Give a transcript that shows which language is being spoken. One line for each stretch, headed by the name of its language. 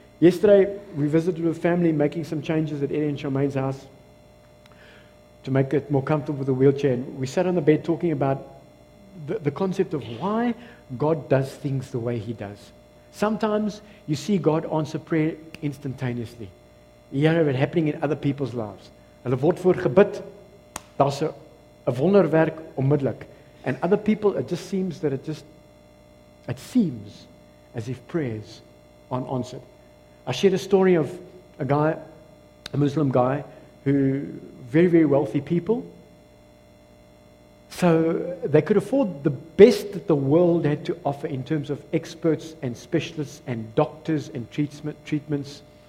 English: Yesterday, we visited with family, making some changes at Eddie and Charmaine's house to make it more comfortable with the wheelchair. And we sat on the bed talking about the concept of why God does things the way he does. Sometimes you see God answer prayer instantaneously. You hear it happening in other people's lives.
Afrikaans: Hulle word voor gebid, daar's 'n wonderwerk onmiddellik.
English: And other people, it seems as if prayers aren't answered. I shared a story of a guy, a Muslim guy, who very, very wealthy people. So they could afford the best that the world had to offer in terms of experts and specialists and doctors and treatments.